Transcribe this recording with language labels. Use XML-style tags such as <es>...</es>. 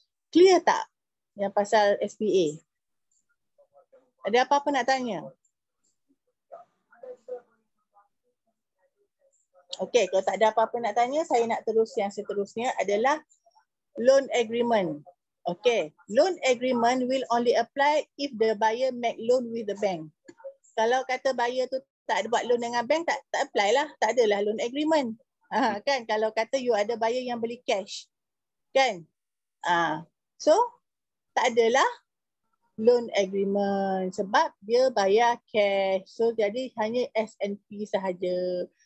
<ms>Clear tak yang pasal SPA? Ada apa-apa nak tanya? Okay, kalau tak ada apa-apa nak tanya, saya nak terus yang seterusnya adalah loan agreement.</ms> <en>Okay, loan agreement will only apply if the buyer make loan with the bank.</en> <ms>Kalau kata buyer tu tak ada buat loan dengan bank, tak apply lah. Tak adalah loan agreement. Kan, kalau kata you ada buyer yang beli cash. Kan? So, tak adalah loan agreement. Sebab dia bayar cash. So, jadi hanya S&P sahaja.</ms>